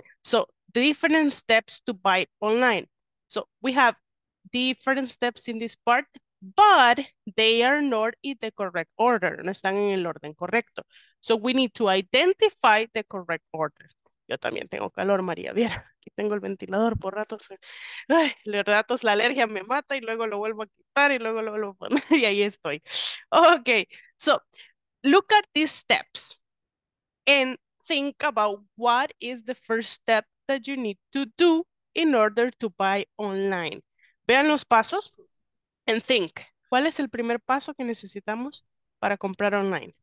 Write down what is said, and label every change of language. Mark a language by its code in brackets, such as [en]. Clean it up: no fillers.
[en] So, different steps to buy online. So, we have different steps in this part, but they are not in the correct order. [es] No están en el orden correcto. [en] So, we need to identify the correct order. [es] Yo también tengo calor, María, ¿viera? Aquí tengo el ventilador por ratos. Ay, los ratos, la alergia me mata y luego lo vuelvo a quitar y luego lo vuelvo a poner y ahí estoy. [en] Okay, so look at these steps and think about what is the first step that you need to do in order to buy online. [es] Vean los pasos [en] and think. [es] ¿Cuál es el primer paso que necesitamos para comprar online?